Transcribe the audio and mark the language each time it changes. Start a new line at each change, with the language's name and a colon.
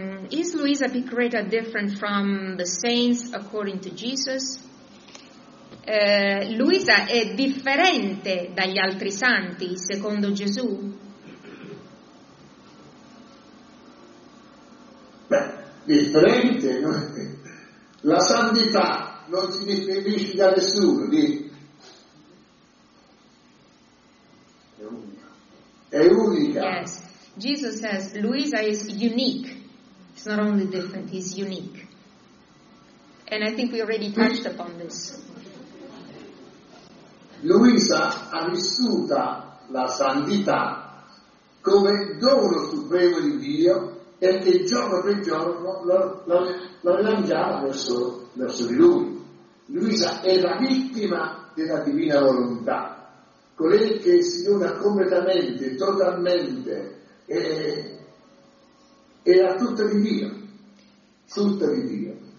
English: Is Luisa Picreta different from the saints according to Jesus?
Italian: Luisa è differente dagli altri santi secondo Gesù? Beh, differente, no? La santità non si definisce da nessuno, di è unica.
English: Yes. Jesus says Luisa is unique. It's not only different, he's unique. And I think we already touched upon this.
Italian: Luisa ha vissuta la santità come dono supremo di Dio e che giorno per giorno lo rilanciava verso di lui. Luisa è la vittima della divina volontà, colei che si dona completamente, totalmente e a tutto di Dio, tutto di Dio.